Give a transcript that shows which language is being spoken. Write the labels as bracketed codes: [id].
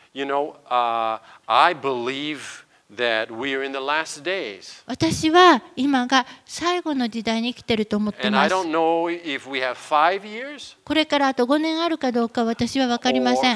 [en] You know, I believe that we are in the last days. [ja] 私は今が最後の時代に生きてると思ってます。 [en] And I don't know if we have five years. [ja] これからあと5年あるかどうか私は分かりません。